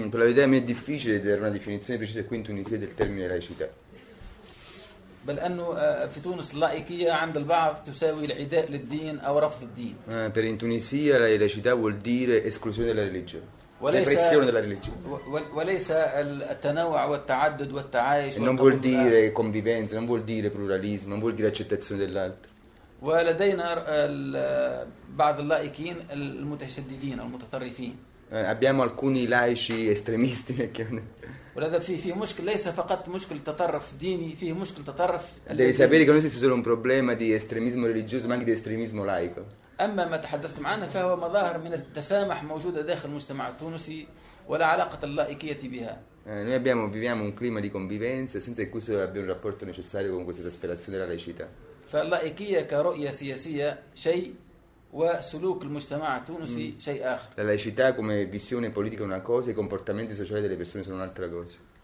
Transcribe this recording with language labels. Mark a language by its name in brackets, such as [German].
[Italian] per la vedere è difficile dare una definizione precisa qui in Tunisia del termine laicità [Arabic] بل أنه في تونس اللائكية عند البعض تساوي العداء للدين أو رفض الدين. [Italian] per in Tunisia la laicità vuol dire esclusione della religione. Repressione della religione. [Arabic] وليس التنوع والتعدد والتعايش. [Italian] non vuol dire convivenza, non vuol dire pluralismo, non vuol dire accettazione dell'altro. [Arabic] ولدينا بعض اللائكين المتشددين المتطرفين. [Italian] abbiamo alcuni laici estremisti. [Arabic] ولذا في مشكل ليس فقط مشكل تطرف ديني فيه مشكل تطرف [Italian] devi sapere che non esiste solo un problema di estremismo religioso ma anche di estremismo laico [Arabic] أما ما تحدثتم عنه فهو مظاهر من التسامح موجودة داخل المجتمع التونسي ولا علاقة اللائكية بها [Italian] noi abbiamo viviamo un clima di convivenza senza che questo abbia un rapporto necessario con questa esasperazione della laicità [Arabic] فاللائكية كرؤية سياسية شيء وسلوك المجتمع التونسي شيء آخر. [Italian] La laicità come visione politica è una cosa, i comportamenti sociali delle persone sono un'altra cosa.